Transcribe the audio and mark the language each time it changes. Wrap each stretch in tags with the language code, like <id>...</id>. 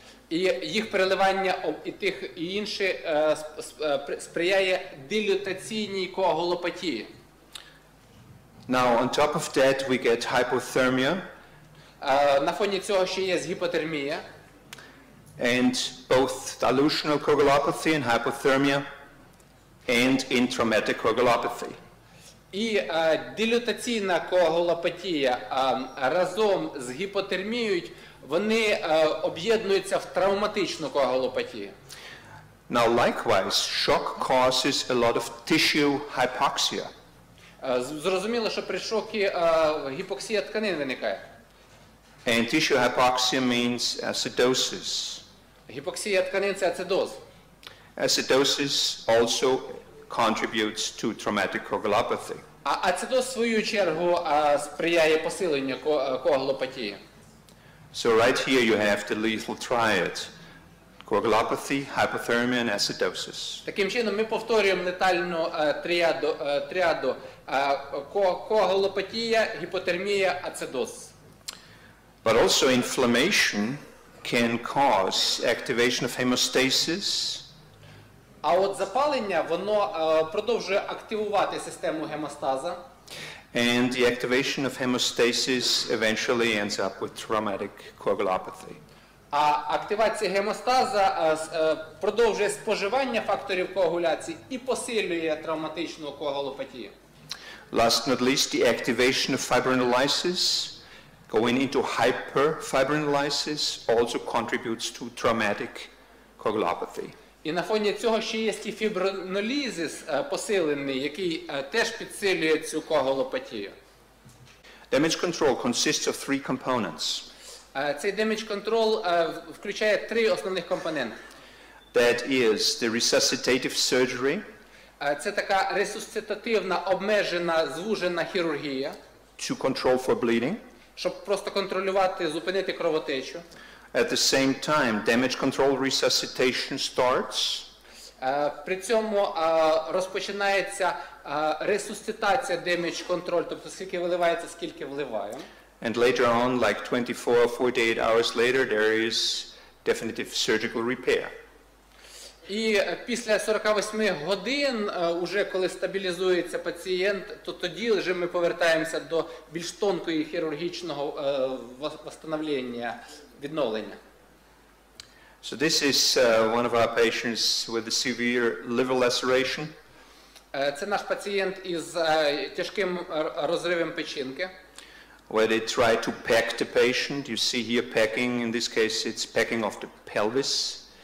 <uk>І їх переливання і тих і інше сприяє дилютаційній коагулопатії.</uk> <en>Now on top of that we get hypothermia.</en> <uk>На фоні цього ще є гіпотермія.</uk> <en>And both dilutional coagulopathy and hypothermia and intramedic coagulopathy.</en> <uk>І дилютаційна коагулопатія разом з гіпотермією, вони об'єднуються в травматичну коагулопатію.</uk> <en>Now likewise, shock causes a lot of tissue hypoxia.</en> <uk>Зрозуміло, що при шокі гіпоксія тканин виникає.</uk> <en>And tissue hypoxia means acidosis.</en> <uk>Гіпоксія тканин – це ацидоз.</uk> <en>Acidosis also contributes to traumatic coagulopathy.</en> <uk>А ацидоз, в свою чергу, сприяє посиленню коагулопатії.</uk> <en>So right here you have the lethal triad. Coagulopathy, hypothermia, and acidosis.</en> <uk>Таким чином ми повторюємо летальну триаду. Коагулопатія, гіпотермія, ацидоз.</uk> <en>But also inflammation can cause activation of hemostasis.</en> <uk>А от запалення, воно продовжує активувати систему гемостаза.</uk> <en>And the activation of hemostasis eventually ends up with traumatic coagulopathy.</en> <uk>А активація гемостаза продовжує споживання факторів коагуляції і посилює травматичну коагулопатію.</uk> <en>Last not least, the activation of fibrinolysis going into hyperfibrinolysis also contributes to traumatic coagulopathy.</en> <uk>І на фоні цього ще є і фібринолізис посилений, який теж підсилює цю коагулопатію.</uk> <en>Damage control consists of three components.</en> <uk>Цей damage control включає три основних компоненти.</uk> <en>That is the resuscitative surgery.</en> <uk>Це така ресусцитативна, обмежена, звужена хірургія.</uk> <en>To control for bleeding.</en> <uk>Щоб просто контролювати, зупинити кровотечу.</uk> <en>At the same time, damage control resuscitation starts.</en> <uk>При цьому розпочинається ресусцитація damage control, тобто скільки виливається, скільки вливає.</uk> <en>And later on, like 24-48 hours later, there is definitive surgical repair.</en> <uk>І після 48 годин, уже коли стабілізується пацієнт, то тоді вже ми повертаємося до більш тонкої хірургічного восстановлення, відновлення.</uk> <en>So this is one of our patients with a severe liver laceration.</en> <uk>Це наш пацієнт із тяжким розривом печінки.</uk> <en>Where they try to peck the patient. You see here pecking. In this case it's pecking off the pelvis.</en>